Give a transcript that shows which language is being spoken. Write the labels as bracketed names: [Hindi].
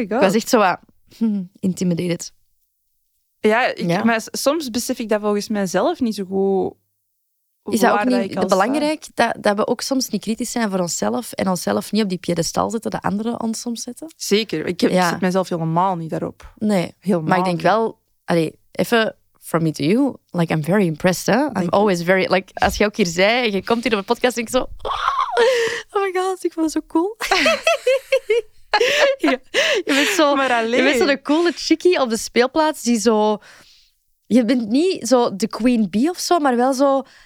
[Dutch] Ik was echt zo intimidated. Ja, maar soms besef ik dat volgens mij zelf niet zo goed... Is dat ook niet dat belangrijk? Dat we ook soms niet kritisch zijn voor onszelf en onszelf niet op die piedestal zetten dat anderen ons soms zetten? Zeker. Ik zet mezelf helemaal niet daarop. Nee. Helemaal maar ik denk niet. Wel... [English] Allee, even from me to you. Like, I'm very impressed, hè? I'm always very... [Dutch] Like, als je ook hier zei en je komt hier op een podcast, denk ik zo... [English] Oh my god, [Dutch] ik vond het zo cool. Ja, je bent zo... Maar alleen. Je bent zo'n coole chickie op de speelplaats die zo... Je bent niet zo de queen bee of zo, maar wel zo...